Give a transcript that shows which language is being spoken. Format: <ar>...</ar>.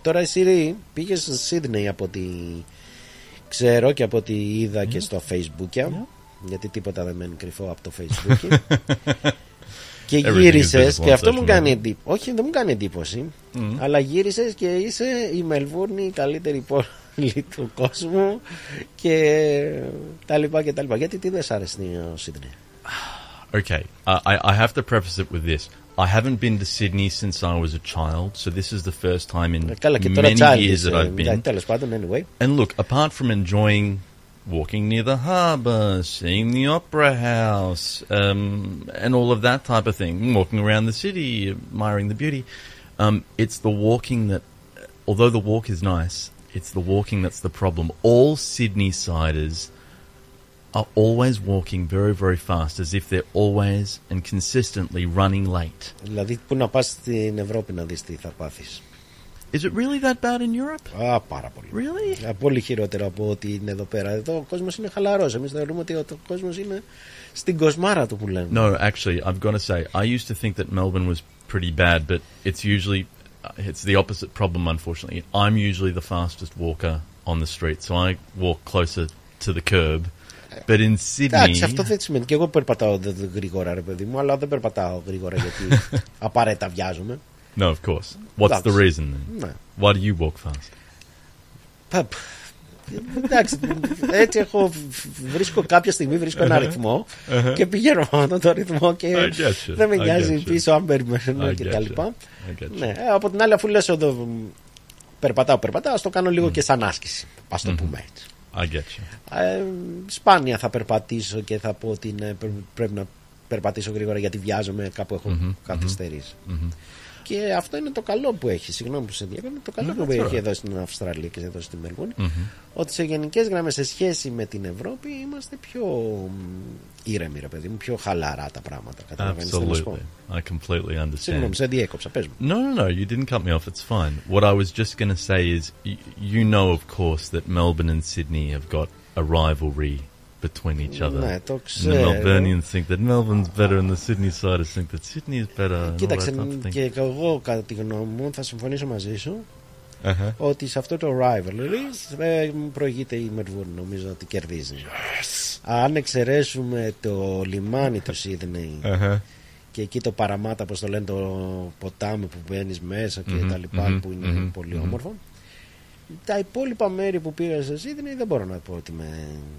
<el>Τώρα εσύ πήγες στο Σίδνεϊ από τη. Ξέρω και από ό,τι είδα και στο Facebook, γιατί τίποτα δεν μένει κρυφό από το Facebook. Και γύρισες και αυτό μου κάνει εντύπωση. Όχι, δεν μου κάνει εντύπωση. Αλλά γύρισες και είσαι η Μελβούρνη, η καλύτερη πόλη του κόσμου και τα λοιπά και τα λοιπά. Γιατί τι δεν σ' αρέσει ο Σίδνεϊ?</el> <en>Okay, I have to preface it with this. I haven't been to Sydney since I was a child, so this is the first time in many years that I've been. And look, apart from enjoying walking near the harbour, seeing the Opera House, and all of that type of thing, walking around the city, admiring the beauty, it's the walking that, although the walk is nice, it's the walking that's the problem. All Sydney-siders are always walking very, very fast, as if they're always and consistently running late.</en> <el>Δηλαδή, πού να πας στην Ευρώπη να δεις τι θα πάθεις.</el> <en>Is it really that bad in Europe?</en> <el>Α, πάρα πολύ.</el> <en>Really?</en> <el>Πολύ χειρότερο από ό,τι είναι εδώ πέρα. Εδώ ο κόσμος είναι χαλαρός. Εμείς θεωρούμε ότι ο κόσμος είναι στην κοσμάρα του που λέμε.</el> <en>No, actually, I've got to say, I used to think that Melbourne was pretty bad, but it's usually, it's the opposite problem, unfortunately. I'm usually the fastest walker on the street, so I walk closer to the curb. But in Sydney,</en> <el>εντάξει, αυτό δεν σημαίνει. Και εγώ περπατάω γρήγορα, ρε παιδί μου, αλλά δεν περπατάω γρήγορα γιατί απαραίτητα βιάζομαι.</el> <en>No, of course. What's the reason then? Why do you walk fast?</en> <el>Εντάξει, έτσι έχω, βρίσκω κάποια στιγμή, βρίσκω ένα ρυθμό και πηγαίνω με τον ρυθμό και δεν με νοιάζει πίσω αν περιμένω και τα λοιπά. Ναι, από την άλλη, αφού λες εδώ περπατάω, ας το κάνω λίγο και σαν άσκηση, ας το πούμε έτσι.</el> <en>I get you.</en> <el>Σπάνια θα περπατήσω και θα πω ότι είναι, πρέπει να περπατήσω γρήγορα γιατί βιάζομαι, κάπου έχω καθυστερήσει. Και αυτό είναι το καλό που έχει. Συγγνώμη που σε διέκανα. Το καλό που έχει εδώ στην Αυστραλία και εδώ στη Μελβούρνη, ότι σε γενικές γραμμές σε σχέση με την Ευρώπη είμαστε πιο ήρεμοι, ρε παιδί μου, πιο χαλαρά τα πράγματα. Καταλαβαίνεις τι θέλω να σου πω?</el> <en>I completely understand.</en> <el>Συγγνώμη, σε διέκοψα. Πες μου.</el> <en>No, you didn't cut me off. It's fine. What I was just going to say is, you know, of course, that Melbourne and Sydney have got a rivalry between each other.</en> <el>Ναι, το ξέρω.</el> <en>The Melbourneians think that Melbourne's better and the Sydney side think that Sydney is better.</en> <el>Κοίταξε, και εγώ κατά τη γνώμη μου θα συμφωνήσω μαζί σου ότι σε αυτό το rivalry προηγείται η Melbourne, νομίζω ότι κερδίζει. Αν εξαιρέσουμε το λιμάνι του Sydney και εκεί το παραμάτα, όπως το λένε, το ποτάμι που μπαίνεις μέσα και τα λοιπά, που είναι πολύ όμορφο, τα υπόλοιπα μέρη που πήγα σε Sydney δεν μπορώ να πω ότι με...</el>